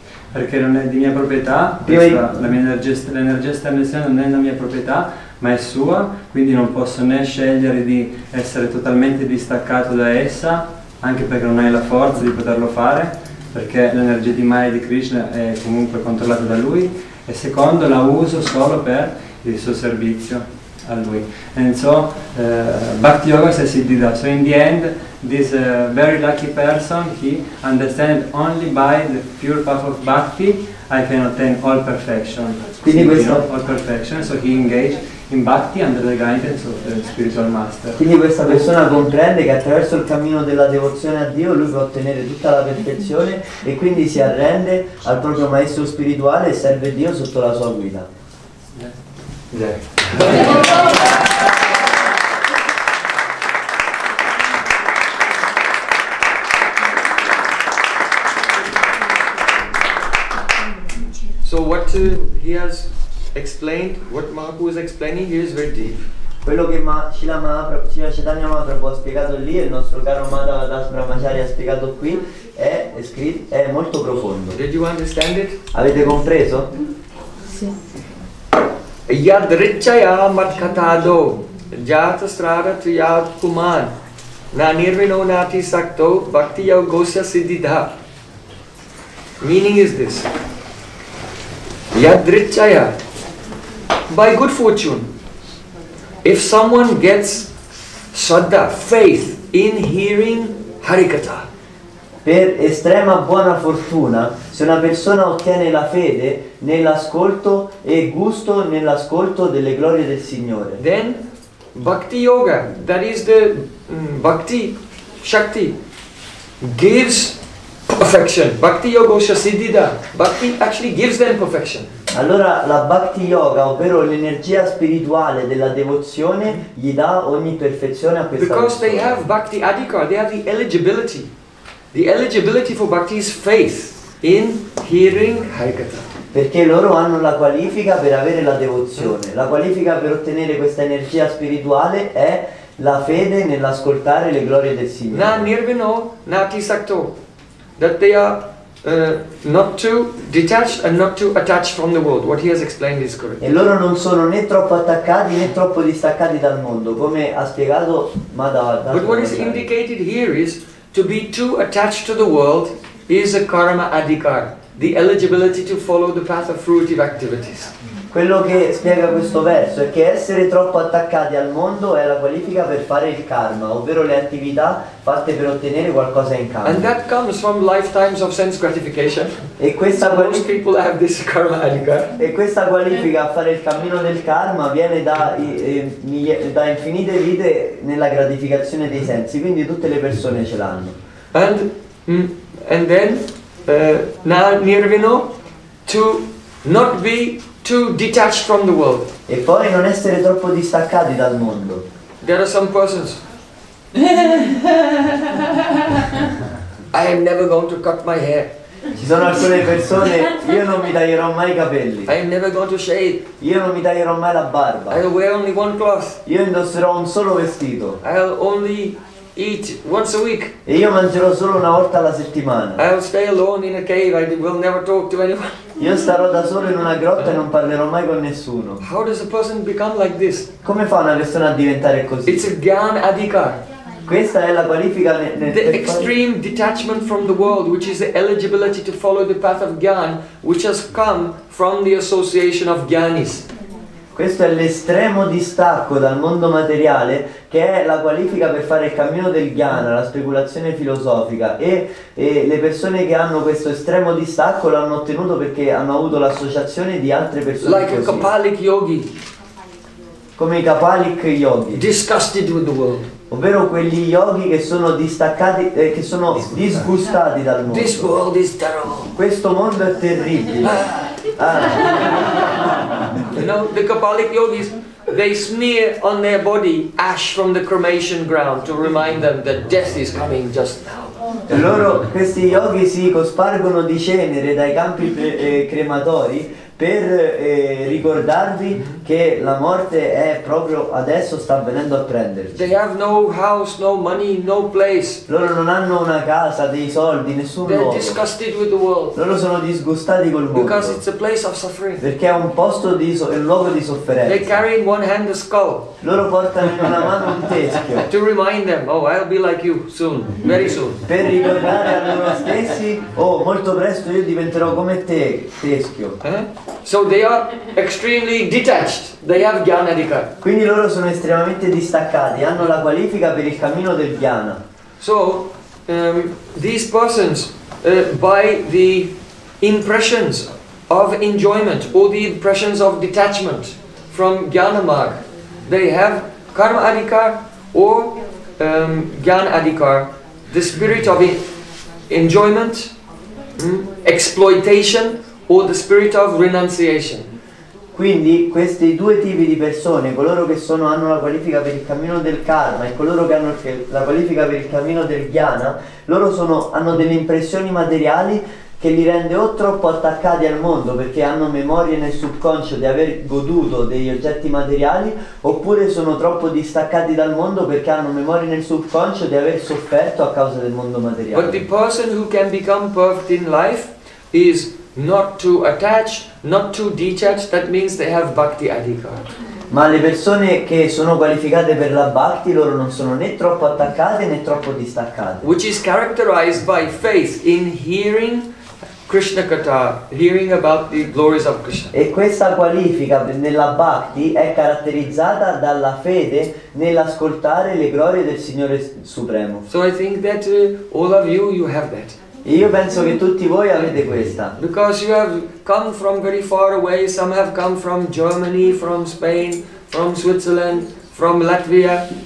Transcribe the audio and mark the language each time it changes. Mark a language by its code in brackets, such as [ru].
[it] perché non è di mia proprietà, questa, la mia energia, l'energia esterna non è la mia proprietà, ma è sua, quindi non posso né scegliere di essere totalmente distaccato da essa, anche perché non hai la forza di poterlo fare, perché l'energia di Maya di Krishna è comunque controllata da lui, e secondo la uso solo per il suo servizio a lui. [en] And so, Bhakti Yoga says it did that. So in the end, this very lucky person, he understand only by the pure path of Bhakti, I can attain all perfection. [it] Quindi questo, [en] you know, all perfection. So he engaged in Bhakti under the guidance of the spiritual master. [it] Quindi questa persona comprende che attraverso il cammino della devozione a Dio lui può ottenere tutta la perfezione e quindi si arrende al proprio maestro spirituale e serve Dio sotto la sua guida. [en] So what he has explained, what Mahaprabhu is explaining here is very deep. [it] Quello che Srila Mahaprabhu ha spiegato lì e il nostro caro Das Brahmacharya ha spiegato qui è molto profondo. [en] Did you understand it? [it] Avete compreso? Sì. [sa] Yadrichaya madkatado jata strada tuyat kuman na nirvino nati sakto bhakti yogosya siddhidha. [en] Meaning is this: yadrichaya, by good fortune, if someone gets shraddha, faith in hearing harikata, [it] per estrema buona fortuna, se una persona ottiene la fede nell'ascolto e gusto nell'ascolto delle glorie del Signore. [en] Then bhakti yoga, that is the bhakti shakti, gives perfection. [sa] Bhakti yogosya siddhida. [en] Bhakti actually gives them perfection. [it] Allora la bhakti yoga, ovvero l'energia spirituale della devozione, gli dà ogni perfezione a questa persona. [en] Because they have bhakti adhikar, they have the eligibility. The eligibility for bhakti is faith in hearing harikatha. [it] Perché loro hanno la qualifica per avere la devozione. La qualifica per ottenere questa energia spirituale è la fede nell'ascoltare le glorie del Signore. [sa] Na nirvino nati sakto, [en] that they are not too detached and not too attached from the world. What he has explained is correct. [it] E loro non sono né troppo attaccati né troppo distaccati dal mondo, come ha spiegato Madhavata. [en] But what is indicated here is to be too attached to the world is a karma adhikar, the eligibility to follow the path of fruitive activities. [it] Quello che spiega questo verso è che essere troppo attaccati al mondo è la qualifica per fare il karma, ovvero le attività fatte per ottenere qualcosa in cambio. [en] And that comes from lifetimes of sense gratification. [it] E questa [en] most people have this karma adhikar. [it] E questa qualifica a fare il cammino del karma viene da infinite vite nella gratificazione dei sensi, quindi tutte le persone ce l'hanno. [en] And then na nirvino to not be too detached from the world. [it] E poi non essere troppo distaccati dal mondo. [en] There are some persons. I am never going to cut my hair. [it] Ci sono alcune persone, io non mi taglierò mai i capelli. [en] I am never going to shave. [it] Io non mi taglierò mai la barba. [en] I'll wear only one cloth. [it] Io indosserò un solo vestito. [en] I'll only eat once a week. [it] E io mangerò solo una volta alla settimana. [en] I'll stay alone in a cave. I will never talk to anyone. [it] Io starò da solo in una grotta e non parlerò mai con nessuno. [en] How does a person become like this? [it] Come fa una persona a diventare così? [en] It's a gyan adhikar. [it] Questa è la qualifica. [en] The extreme detachment from the world, which is the eligibility to follow the path of gyan, which has come from the association of gyanis. [it] Questo è l'estremo distacco dal mondo materiale, che è la qualifica per fare il cammino del Jnana, la speculazione filosofica. E le persone che hanno questo estremo distacco l'hanno ottenuto perché hanno avuto l'associazione di altre persone. [en] Like [it] così. [en] A Kapalik yogi. [it] Come i Kapalik yogi. [en] Disgusted with the world. [it] Ovvero quegli yogi che sono distaccati, che sono disgustati dal mondo. [en] This world is terrible. [it] Questo mondo è terribile. [en] You know, the Kapalik yogis, they smear on their body ash from the cremation ground to remind them that death is coming just now. [it] E loro, questi yogi, si cospargono di cenere dai campi crematori per ricordarvi che la morte è proprio adesso sta venendo a prenderci. [en] They have no house, no money, no place. [it] Loro non hanno una casa, dei soldi, nessun luogo. [en] They're disgusted with the world. [it] Loro sono disgustati col mondo. [en] Because it's a place of suffering. [it] Perché è un posto di è un luogo di sofferenza. [en] They carry in one hand a skull. [it] Loro portano in una mano un teschio. [en] To remind them, oh, I'll be like you soon, very soon. [it] Per ricordare a loro stessi, oh, molto presto io diventerò come te, teschio. [en] So they are extremely detached. They have jnana adhikar. [it] Quindi loro sono estremamente distaccati, hanno la qualifica per il cammino del jnana. [en] So these persons by the impressions of enjoyment or the impressions of detachment from jnana marg, they have karma adhikar or jnana adhikar, the spirit of enjoyment, exploitation, o the spirit of renunciation. [it] Quindi questi due tipi di persone, coloro che sono, hanno la qualifica per il cammino del karma e coloro che hanno la qualifica per il cammino del jnana, loro sono, hanno delle impressioni materiali che li rende o troppo attaccati al mondo perché hanno memorie nel subconscio di aver goduto degli oggetti materiali, oppure sono troppo distaccati dal mondo perché hanno memorie nel subconscio di aver sofferto a causa del mondo materiale. [en] But the person who can become perfect in life is not too attached, not too detached, that means they have bhakti adhikar. [it] Ma le persone che sono qualificate per la bhakti, loro non sono né troppo attaccate né troppo distaccate. [en] Which is characterized by faith in hearing Krishna katha, hearing about the glories of Krishna. [it] E questa qualifica nella bhakti è caratterizzata dalla fede nell'ascoltare le glorie del Signore Supremo. [en] So I think that all of you, you have that. [it] Io penso che tutti voi avete questa. [en] Because you have come from very far away, some have come from Germany, from Spain, from Switzerland, from Latvia.